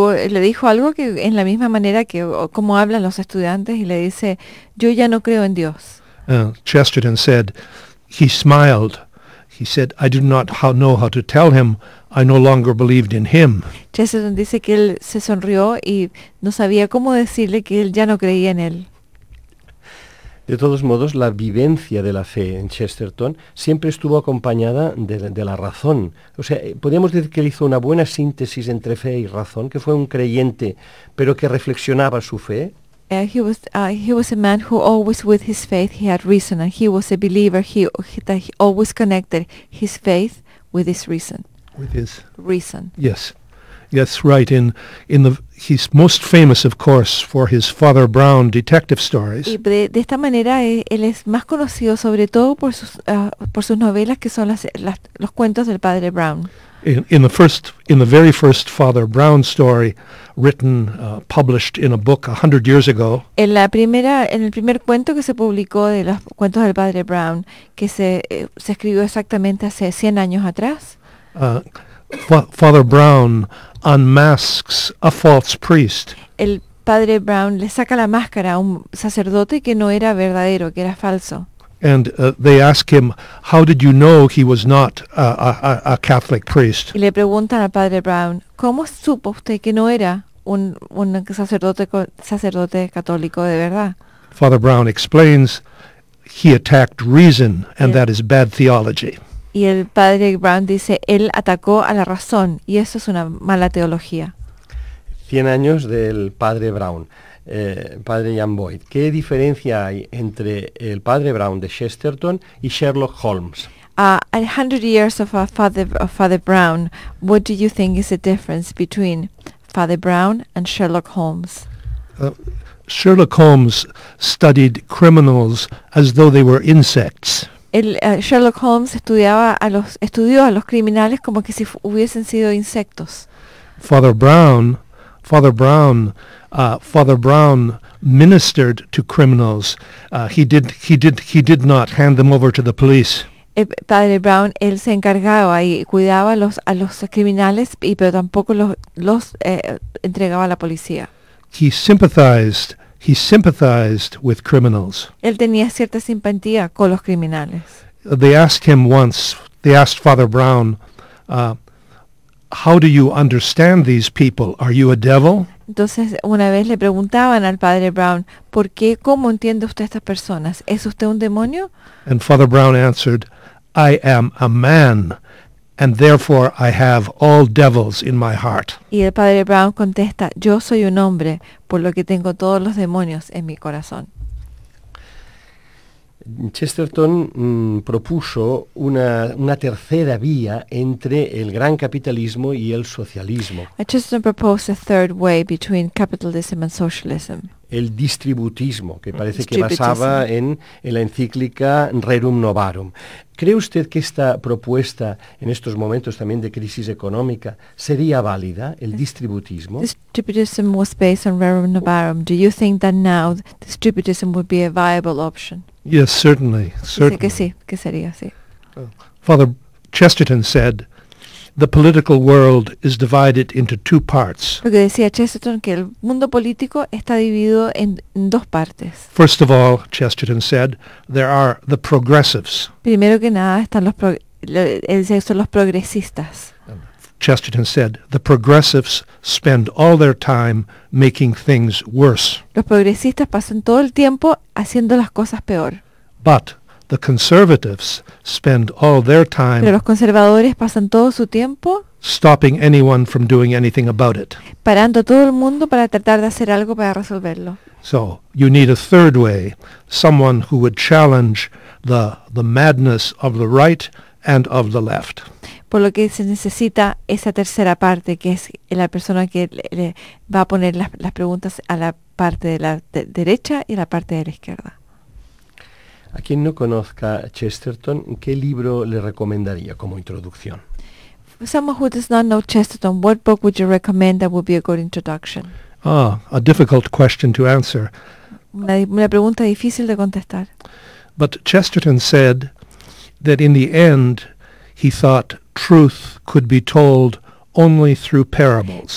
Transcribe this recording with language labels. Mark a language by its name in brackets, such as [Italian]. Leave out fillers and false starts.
[Spanish] Le dijo algo que en la misma manera que como hablan los estudiantes y le dice, "Yo ya no creo en Dios." [English] Chesterton said, he smiled. He said, "I do not know how to tell him." I no longer believed in him. [Spanish] Chesterton dice que él se sonrió y no sabía cómo decirle que él ya no creía en él. De todos modos, la vivencia de la fe en Chesterton siempre estuvo acompañada de la razón. O sea, podríamos decir que él hizo una buena síntesis entre fe y razón, que fue un creyente, pero que reflexionaba su fe. [English] He was a man who always with his faith he had reason, and he was a believer. He always connected his faith with his reason. With his reason. Yes. Yes, right. He's most famous, of course, for his Father Brown detective stories. [Spanish] Y de esta manera, él es más conocido sobre todo por sus novelas, que son los cuentos del Padre Brown. [English] In the very first Father Brown story, written, published in a book 100 years ago. [Spanish] En el primer cuento que se publicó de los cuentos del Padre Brown, que se escribió exactamente hace 100 años atrás. [English] Father Brown unmasks a false priest. [Spanish] El padre Brown le saca la máscara a un sacerdote que no era verdadero, que era falso. [English] And they ask him, "How did you know he was not a Catholic priest?" [Spanish] Y le preguntan al padre Brown, ¿cómo supo usted que no era un sacerdote católico de verdad? [English] Father Brown explains, "He attacked reason, and that is bad theology." [Spanish] Y el padre Brown dice, él atacó a la razón, y eso es una mala teología. 100 años del padre Brown, padre Jan Boyd. ¿Qué diferencia hay entre el padre Brown de Chesterton y Sherlock Holmes? [English] A 100 years of Father Brown, what do you think is the difference between Father Brown and Sherlock Holmes? Sherlock Holmes studied criminals as though they were insects. [Spanish] Sherlock Holmes estudió a los criminales como que si hubiesen sido insectos. [English] Father Brown ministered to criminals. He did not hand them over to the police. [Spanish] Padre Brown, él se encargaba y cuidaba a los criminales, pero tampoco los entregaba a la policía. [English] He sympathized. He sympathized with criminals. [Spanish] Él tenía cierta simpatía con los criminales. [English] They asked him once, they asked Father Brown, how do you understand these people? Are you a devil? [Spanish] Entonces, una vez le preguntaban al Padre Brown, ¿por qué, cómo entiende usted a estas personas? ¿Es usted un demonio? [English] And Father Brown answered, I am a man, and therefore I have all devils in my heart. [Spanish] Y el Padre Brown contesta, yo soy un hombre, por lo que tengo todos los demonios en mi corazón. Chesterton propuso una tercera vía entre el gran capitalismo y el socialismo. [English] Chesterton proposed a third way between capitalism and socialism. [Spanish] El distributismo, que parece que basaba en la encíclica Rerum Novarum. ¿Cree usted que esta propuesta, en estos momentos también de crisis económica, sería válida, el distributismo? [English] Distributism was based on Rerum Novarum. Do you think that now distributism would be a viable option? Yes, certainly, certainly. [Spanish] Dice que sí, que sería, sí. [English] Father Chesterton said, the political world is divided into two parts. [Spanish] Lo que decía Chesterton, que el mundo político está dividido en dos partes. [English] First of all, Chesterton said, there are the progressives. [Spanish] Primero que nada están los progresistas. [English] Chesterton said, the progressives spend all their time making things worse. [Spanish] Los progresistas pasan todo el tiempo haciendo las cosas peor. [English] But the conservatives spend all their time. [Spanish] Pero los conservadores pasan todo su tiempo [English] stopping anyone from doing anything about it. [Spanish] Parando a todo el mundo para tratar de hacer algo para resolverlo. [English] So you need a third way, someone who would challenge the madness of the right and of the left. [Spanish] Por lo que se necesita esa tercera parte, que es la persona que le va a poner las preguntas a la parte de la derecha y a la parte de la izquierda. A quien no conozca Chesterton, ¿qué libro le recomendaría como introducción? [English] For someone who does not know Chesterton, what book would you recommend that would be a good introduction? Ah, a difficult question to answer. [Spanish] Una pregunta difícil de contestar. [English] But Chesterton said that in the end, he thought truth could be told only through parables.